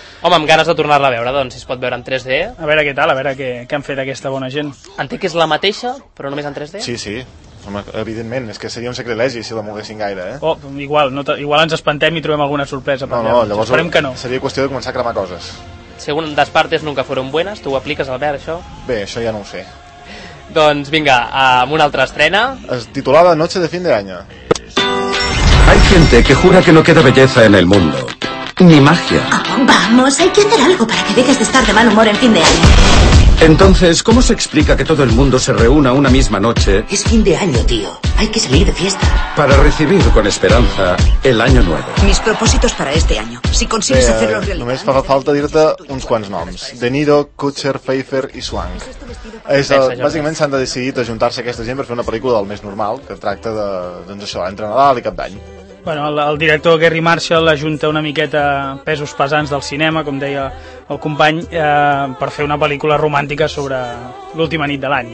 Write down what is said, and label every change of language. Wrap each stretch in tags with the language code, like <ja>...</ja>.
<ca>Home, amb ganes de tornar-la a veure, doncs, si es pot veure en 3D. A veure què tal, a veure què han fet aquesta bona gent. Entenc que és la mateixa, però només en 3D? Sí, sí, home, evidentment, és que seria un sacrilegi si la moguessin gaire, eh? Oh, igual, no, igual ens espantem i trobem alguna sorpresa. No, llavors esperem que no. Seria qüestió de començar a cremar coses.</ca> <es>Según les partes nunca fueron buenas,</es> <ca>tu ho apliques, Albert, això? Bé, això ja no ho sé. Doncs vinga, amb una altra estrena. Es titulava</ca> <es>Noche de fin de año. Hay gente que jura que no queda belleza en el mundo. Ni magia. Oh, vamos, hay que hacer algo para que dejes de estar de mal humor en fin de año. Entonces, ¿cómo se explica que todo el mundo se reúna una misma noche? Es fin de año, tío. Hay que salir de fiesta. Para recibir con esperanza el año nuevo. Mis propósitos para este año. Si consigues hacerlo realidad...</es> <ca>Només fa falta dir-te uns quants noms. De Niro, Kutcher, Pfeiffer i Swank. Bàsicament s'han de decidir ajuntar-se aquesta gent per fer una pel·lícula del més normal, que tracta de, doncs això, entre Nadal i Cap d'Any. Bueno, el director Gary Marshall ajunta una miqueta pesos pesants del cinema, com deia el company, per fer una pel·lícula romàntica sobre l'última nit de l'any.</ca>